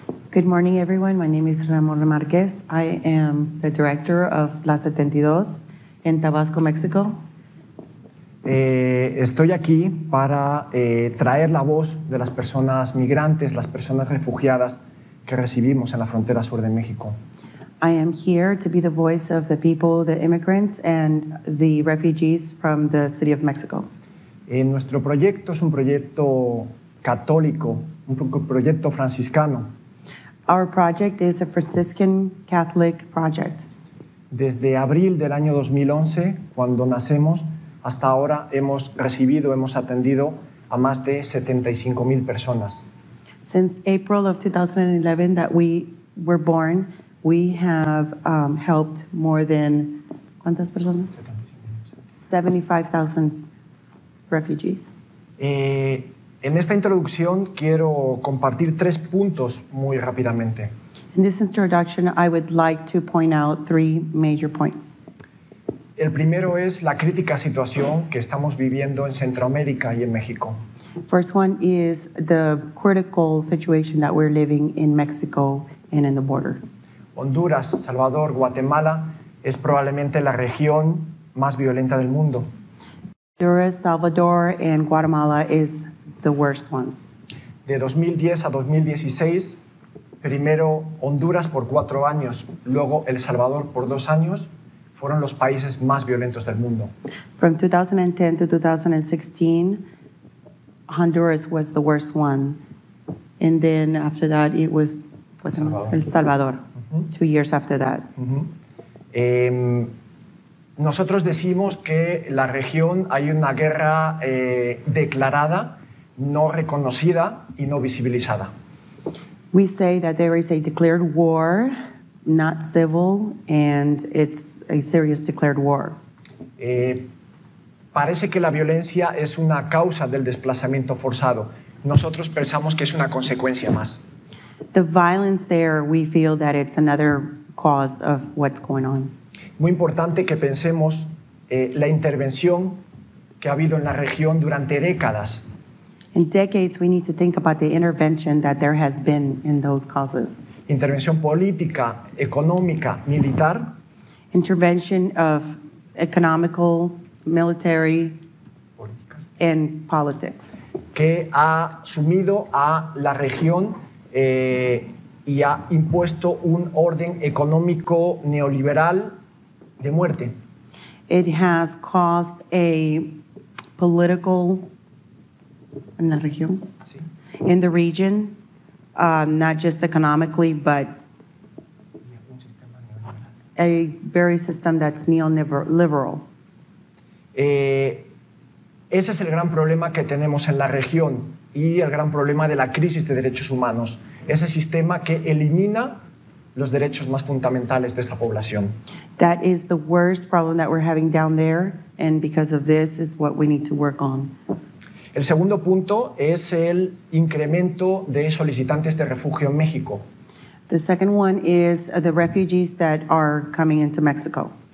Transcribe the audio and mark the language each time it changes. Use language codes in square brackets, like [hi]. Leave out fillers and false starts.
[en] Good morning, everyone. My name is Ramón Márquez. I am the director of la 72 en Tabasco, México. [es] Estoy aquí para traer la voz de las personas migrantes, las personas refugiadas que recibimos en la frontera sur de México. [en] I am here to be the voice of the people, the immigrants, and the refugees from the city of Mexico. [es] En nuestro proyecto es un proyecto católico, un proyecto franciscano. [en] Our project is a Franciscan Catholic project. [es] Desde abril del año 2011, cuando nacemos, hasta ahora hemos recibido, hemos atendido a más de 75,000 personas. [en] Since April of 2011 that we were born, we have helped more than, [es] ¿cuántas personas? [en] 75,000 refugees. [es] En esta introducción quiero compartir tres puntos muy rápidamente. [en] In this introduction, I would like to point out three major points. [es] El primero es la crítica situación que estamos viviendo en Centroamérica y en México. [en] First one is the critical situation that we're living in Mexico and in the border. [es] Honduras, Salvador, Guatemala es probablemente la región más violenta del mundo. [en] Honduras, Salvador and Guatemala is the worst ones. [es] De 2010 a 2016, primero Honduras por 4 años, luego El Salvador por 2 años, fueron los países más violentos del mundo. [en] From 2010 to 2016, Honduras was the worst one. And then after that, it was Salvador. El Salvador. 2 years after that. Uh-huh. [es] Nosotros decimos que la región hay una guerra declarada, no reconocida y no visibilizada. [en] We say that there is a declared war, not civil, and it's a serious declared war. [es] Parece que la violencia es una causa del desplazamiento forzado. Nosotros pensamos que es una consecuencia más. [en] The violence there, we feel that it's another cause of what's going on. [es] Muy importante que pensemos la intervención que ha habido en la región durante décadas. [en] In decades, we need to think about the intervention that there has been in those causes. [es] Intervención política, económica, militar. [en] Intervention of economical, military, political. And politics. [es] Que ha sumido a la región y ha impuesto un orden económico neoliberal de muerte. [en] It has caused a political [es] En la región. Sí. [en] In the region, not just economically, but a very system that's neoliberal. [es] Ese es el gran problema que tenemos en la región y el gran problema de la crisis de derechos humanos. Ese sistema que elimina los derechos más fundamentales de esta población. [en] That is the worst problem that we're having down there, and because of this is what we need to work on. [es] El segundo punto es el incremento de solicitantes de refugio en México. [en] The second one is the refugees that are coming into Mexico.